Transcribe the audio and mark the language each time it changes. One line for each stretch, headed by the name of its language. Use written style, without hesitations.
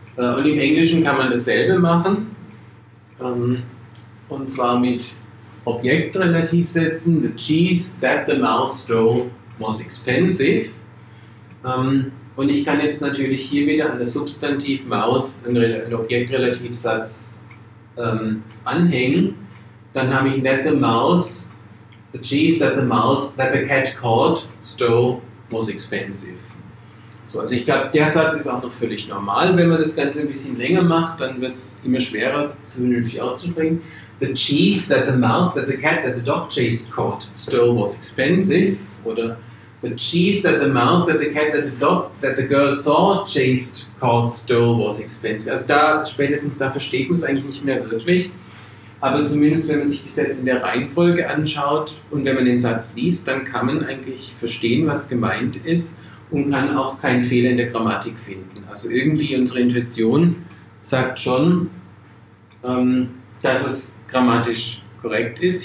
German: Und im Englischen kann man dasselbe machen, und zwar mit Objektrelativ setzen,
English: the cheese that the mouse stole was expensive.
German: Und ich kann jetzt natürlich hier wieder an das Substantiv Maus einen Objektrelativsatz anhängen. Dann habe ich
English: that the mouse, the cheese that the mouse, that the cat caught, stole was expensive.
German: So, also ich glaube, der Satz ist auch noch völlig normal. Wenn man das Ganze ein bisschen länger macht, dann wird es immer schwerer, es vernünftig auszusprechen.
English: The cheese that the mouse, that the cat, that the dog chased caught stole was expensive.
German: Oder
English: the cheese that the mouse, that the cat, that the dog, that the girl saw chased caught stole was expensive.
German: Also da, spätestens da versteht man es eigentlich nicht mehr wirklich. Aber zumindest wenn man sich die Sätze in der Reihenfolge anschaut und wenn man den Satz liest, dann kann man eigentlich verstehen, was gemeint ist und kann auch keinen Fehler in der Grammatik finden. Also irgendwie unsere Intuition sagt schon, dass es grammatisch korrekt ist.